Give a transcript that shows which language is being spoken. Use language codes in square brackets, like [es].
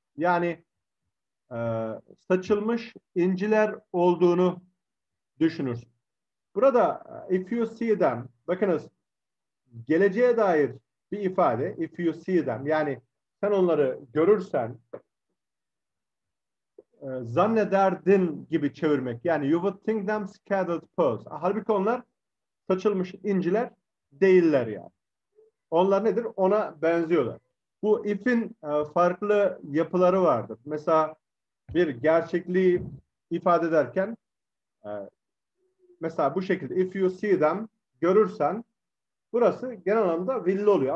[tr] Yani saçılmış inciler olduğunu düşünürsün. Burada [en] if you see them, [tr] bakınız geleceğe dair bir ifade, if you see them, yani sen onları görürsen zannederdin gibi çevirmek. [en] Yani you would think them scattered pearls. [tr] Halbuki onlar saçılmış inciler değiller yani. Onlar nedir? Ona benziyorlar. Bu if'in farklı yapıları vardır. Mesela bir gerçekliği ifade ederken mesela bu şekilde [en] if you see them, [tr] görürsen, burası genel anlamda will oluyor.